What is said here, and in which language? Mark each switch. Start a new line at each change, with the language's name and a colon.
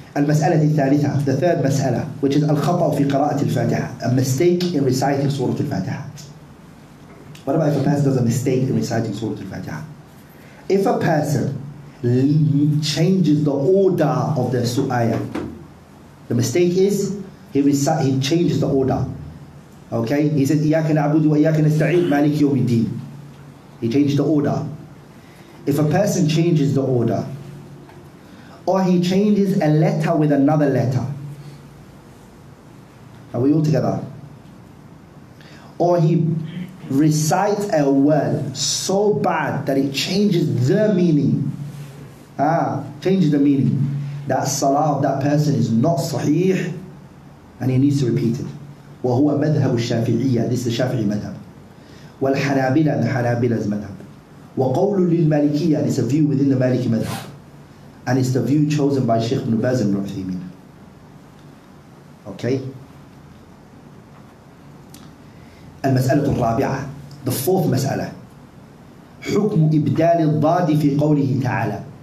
Arabic: المسألة الثالثة,
English: the third مسألة, which is
Arabic: الخطأ في قراءة الفاتحة,
English: a mistake in reciting سورة الفاتحة. What about if a person does a mistake in reciting Surah Al-Fatiha? If a person changes the order of the ayah, the mistake is He changes the order. Okay? He says,
Arabic: إِيَّاكَ نَعْبُدُ وَإِيَّاكَ نَسْتَعِينُ مَالِكِ يَوْمِ الدِّينِ.
English: He changed the order. If a person changes the order, or he changes a letter with another letter, are we all together? Or he recites a word so bad that it changes the meaning. Changes the meaning. That salah of that person is not sahih, and he needs to repeat it.
Arabic: وَهُوَ مَذْهَبُ الشَّافِعِيَّةِ.
English: This is Shafi'i madhab.
Arabic: وَالْحَنَابِلَ and حَنَابِلَةِ madhab. وَقَوْلُ لِلْمَالِكِيَّةِ.
English: And it's a view within the Maliki madhab. And it's the view chosen by Sheikh ibn Baz ibn Uthaymeen. Okay?
Arabic: المسألة الرابعة.
English: The fourth مسألة.
Arabic: حكم إبدال الضاد في قوله تعالى.